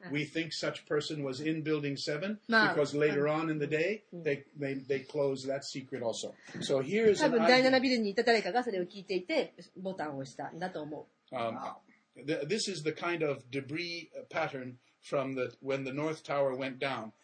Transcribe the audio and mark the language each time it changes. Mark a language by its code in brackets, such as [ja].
[en] We think such person was in building 7 because later on in the day they closed that secret also. So here's. [ja] 多分第7ビルにいた誰かがそれを聞いていてボタンを押したんだと思う。 [en] This is the kind of debris pattern from when the North Tower went down.